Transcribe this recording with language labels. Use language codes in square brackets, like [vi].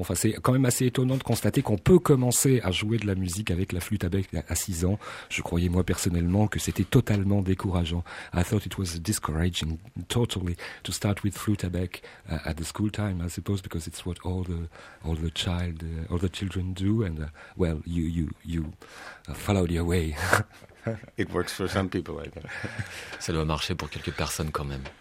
[fr] Enfin, c'est quand même assez étonnant de constater qu'on peut commencer à jouer de la musique avec la flûte à bec à 6 ans. Je croyais moi personnellement que c'était totalement décourageant. [en] I thought it was discouraging totally to start with flûte à bec at the school time, I suppose, because it's what all the children do, and well, you followed your way. It works for some people, I guess. [fr] Ça doit marcher pour quelques personnes quand même.